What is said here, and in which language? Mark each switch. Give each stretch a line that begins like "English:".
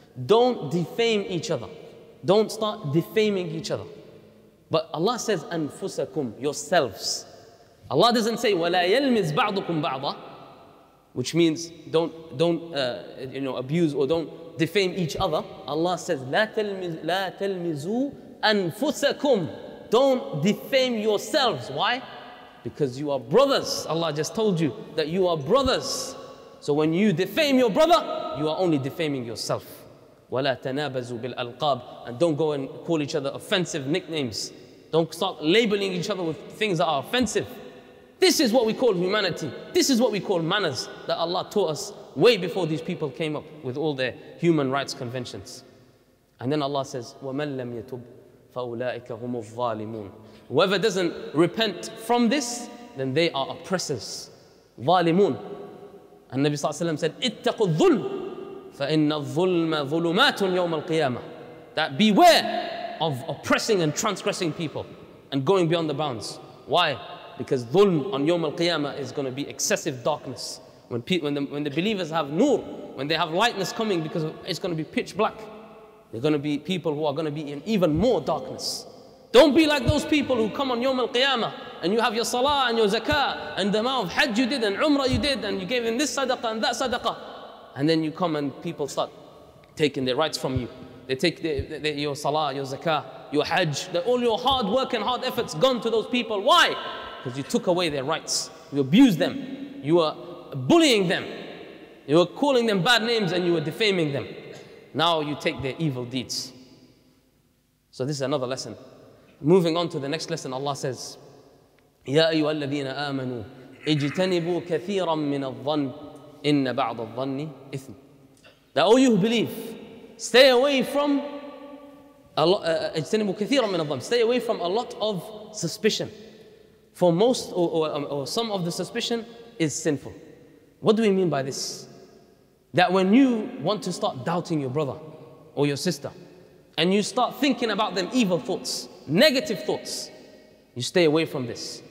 English: Don't defame each other. Don't start defaming each other. But Allah says, أَنفُسَكُمْ, yourselves. Allah doesn't say,
Arabic: وَلَا يَلْمِزْ بَعْضُكُمْ بَعْضًا,
English: which means don't abuse or don't defame each other. Allah says,
Arabic: لَا تَلْمِزُوا أَنفُسَكُمْ.
English: Don't defame yourselves. Why? Because you are brothers. Allah just told you that you are brothers. So when you defame your brother, you are only defaming yourself.
Arabic: وَلَا تَنَابَزُوا بِالْأَلْقَابِ.
English: And don't go and call each other offensive nicknames. Don't start labeling each other with things that are offensive. This is what we call humanity. This is what we call manners that Allah taught us way before these people came up with all their human rights conventions. And then Allah says,
Arabic: وَمَنْ لَمْ يَتُبْ فَأُولَٰئِكَ هُمُ الظَّالِمُونَ.
English: Whoever doesn't repent from this, then they are oppressors.
Arabic: ظَالِمُونَ.
English: And Nabi Sallallahu Alaihi Wasallam said,
Arabic: اتَّقُوا الظُّلْمُ فَإِنَّ الظُّلْمَ ظُلُمَاتٌ يَوْمَ الْقِيَامَةِ.
English: That beware of oppressing and transgressing people and going beyond the bounds. Why? Because dhulm on Yawm al-Qiyamah is going to be excessive darkness. When the believers have nur, when they have lightness coming, because it's going to be pitch black, they're going to be people who are going to be in even more darkness. Don't be like those people who come on Yawm al-Qiyamah and you have your salah and your zakah and the amount of hajj you did and umrah you did and you gave in this sadaqah and that sadaqah. And then you come and people start taking their rights from you. They take your salah, your zakah, your hajj, all your hard work and hard efforts gone to those people. Why? Because you took away their rights. You abused them. You were bullying them. You were calling them bad names and you were defaming them. Now you take their evil deeds. So this is another lesson. Moving on to the next lesson, Allah says,
Arabic: يَا أَيُّهَا الَّذِينَ آمَنُوا اِجْتَنِبُوا كَثِيرًا مِّنَ الظَّنِّ إِنَّ بَعْضَ الظَّنِّ إِثْمٍ.
English: That, oh, you who believe, stay away from
Arabic: اجْتَنِبُوا كَثِيرًا مِّنَ الظَّنِّ.
English: Stay away from a lot of suspicion. For most or some of the suspicion is sinful. What do we mean by this? That when you want to start doubting your brother or your sister, and you start thinking about them evil thoughts, negative thoughts, you stay away from this.